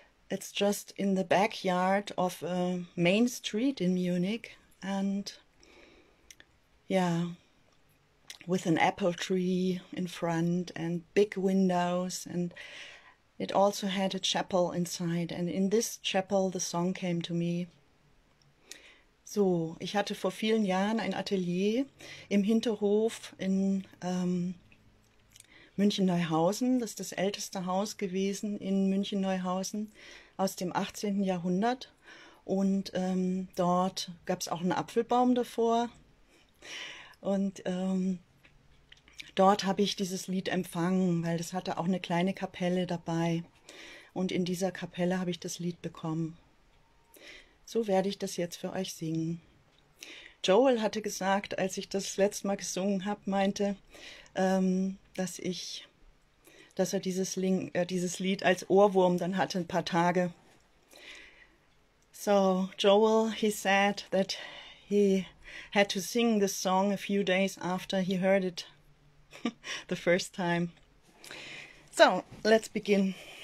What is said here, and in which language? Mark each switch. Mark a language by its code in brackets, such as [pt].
[en] It's just in the backyard of a main street in Munich, and yeah, with an apple tree in front and big windows, and it also had a chapel inside. And in this chapel, the song came to me. [de] So, ich hatte vor vielen Jahren ein Atelier im Hinterhof in München-Neuhausen. Das ist das älteste Haus gewesen in München-Neuhausen aus dem 18. Jahrhundert. Und dort gab es auch einen Apfelbaum davor. Und dort habe ich dieses Lied empfangen, weil es hatte auch eine kleine Kapelle dabei. Und in dieser Kapelle habe ich das Lied bekommen. So werde ich das jetzt für euch singen. Joel hatte gesagt, als ich das letzte Mal gesungen habe, meinte, dass er dieses Lied als Ohrwurm dann hatte ein paar Tage. [en] So, Joel, he said that he had to sing this song a few days after he heard it the first time. So, let's begin.